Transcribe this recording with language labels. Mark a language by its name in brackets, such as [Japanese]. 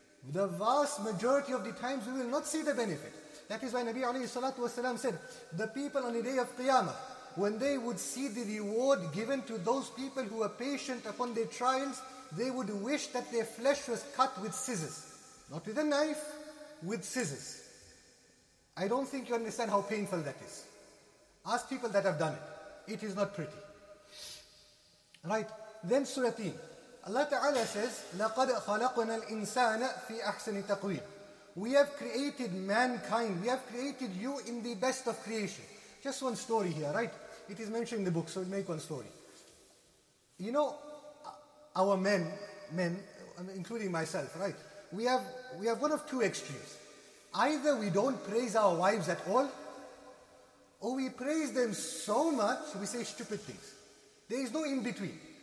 [English] The vast majority of the times we will not see the benefit. That is why Nabi alayhi salatu wasalam said, the people on the day of Qiyamah, when they would see the reward given to those people who were patient upon their trials, they would wish that their flesh was cut with scissors. Not with a knife, with scissors. I don't think you understand how painful that is. Ask people that have done it. It is not pretty. Right. Then Surateen. [Arabic] Allah Ta'ala says, لَقَدْ خَلَقْنَا الْإِنسَانَ فِي أَحْسَنِ تَقْوِيمٍ. [English] We have created mankind. We have created you in the best of creation. Just one story here, right? It is mentioned in the book, so we'll make one story. You know, our men, including myself, right? We have one of two extremes. Either we don't praise our wives at all, or we praise them so much, we say stupid things. There is no in between.